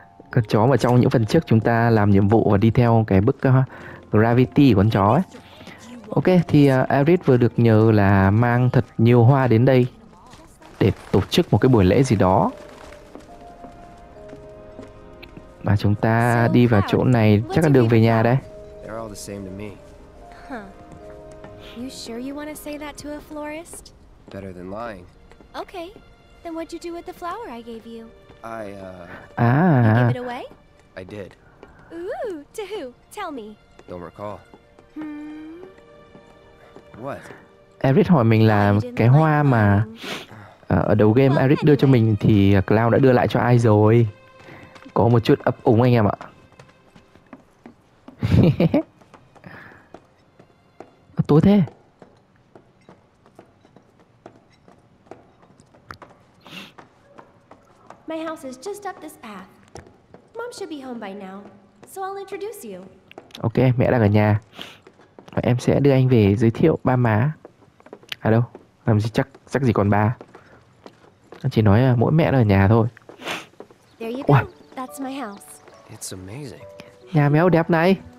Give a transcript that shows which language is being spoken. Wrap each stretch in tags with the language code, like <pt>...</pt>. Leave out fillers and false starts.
<vi>Con chó mà trong những phần trước chúng ta làm nhiệm vụ và đi theo cái bức gravity của con chó ấy. Ok, thì Aerith vừa được nhờ là mang thật nhiều hoa đến đây để tổ chức một cái buổi lễ gì đó. Và chúng ta đi vào chỗ này chắc là đường về nhà đây.</vi> <en>The same to me. Huh. You sure you want to say that to a florist? Better than lying. Okay. Then what'd you do with the flower I gave you? I gave it away? I did. Ooh, to who? Tell me. Don't recall. Hmm. What?</en> <vi>Aerith hỏi mình là cái hoa mà ở đầu game Aerith đưa cho mình thì Cloud đã đưa lại cho ai rồi? Có một chút ấp úng anh em ạ. Tối thế.</vi> <en>My house is just up this path. Mom should be home by now, so I'll introduce you.</en> <vi>Ok, mẹ đang ở nhà. Và em sẽ đưa anh về giới thiệu ba má. À đâu, làm gì chắc gì còn ba. Anh chỉ nói là mỗi mẹ ở nhà thôi.</vi> <en>There you go. Wow. That's my house. It's amazing.</en> <vi>Nhà méo đẹp này.</vi>